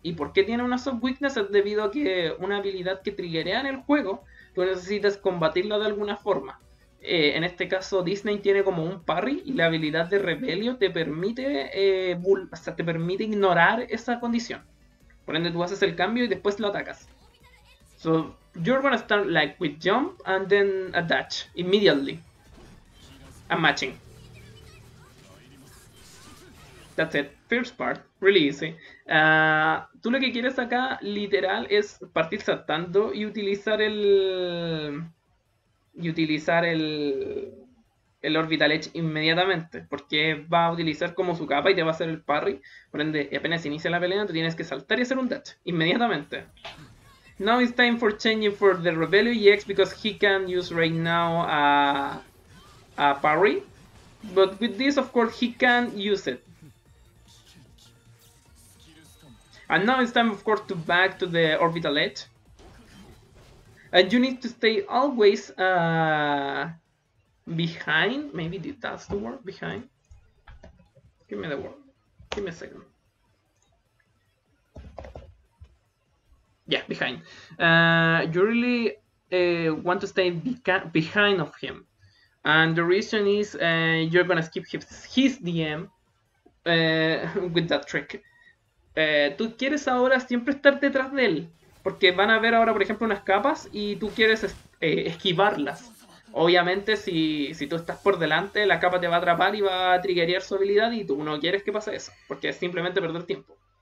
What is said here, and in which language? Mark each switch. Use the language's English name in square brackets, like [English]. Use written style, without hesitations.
[Spanish] ¿Y por qué tiene una soft weakness? Es debido a que una habilidad que triggerea en el juego, tú necesitas combatirla de alguna forma. En este caso, Disney tiene como un parry y la habilidad de Rebelio te permite, te permite ignorar esa condición. Por ende, tú haces el cambio y después lo atacas. [English] So, you're gonna start like with jump and then a dash immediately. I'm matching. That's it. First part. Really easy. [Spanish] Tú lo que quieres acá, literal, es partir saltando y utilizar el. Y utilizar el Orbital Edge inmediatamente, porque va a utilizar como su capa y te va a hacer el parry. Por ende, y apenas inicia la pelea, tú tienes que saltar y hacer un dash inmediatamente. [English] Now it's time for changing for the Rebellion EX because he can use right now a parry. But with this, of course, he can use it. And now it's time, of course, to back to the Orbital Edge. And you need to stay always behind. Maybe that's the word, behind. Give me the word. Give me a second. Yeah, behind. You really want to stay behind of him. And the reason is you're gonna skip his DM with that trick. [Spanish] Tú quieres ahora siempre estar detrás de él. Porque van a ver ahora, por ejemplo, unas capas y tú quieres esquivarlas. Obviamente, si tú estás por delante, la capa te va a atrapar y va a triggerear su habilidad y tú no quieres que pase eso, porque es simplemente perder tiempo.